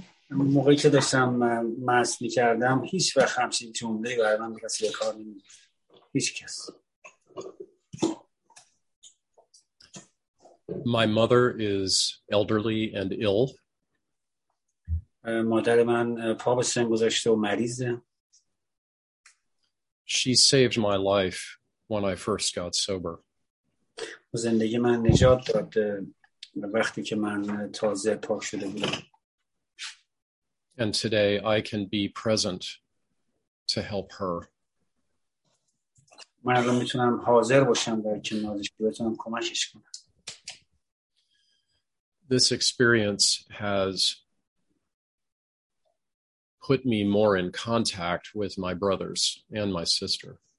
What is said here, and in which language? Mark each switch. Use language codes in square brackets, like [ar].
[fa] موقعی که داشتم مست می‌کردم هیچ وقت همچین جمله‌ای برای من به کسی به کار نمی‌رفت. هیچ کس. [en] My mother is elderly and ill. [fa] مادر من پا به سن گذاشته و مریضه. [en] She saved my life when I first got sober. [fa] زندگی من نجات داد وقتی که من تازه پاک شده بودم. [en] And today I can be present to help her. [fa] من الان میتونم حاضر باشم در کنارش که بتونم کمکش کنم. [en] This experience has put me more in contact with my brothers and my sister.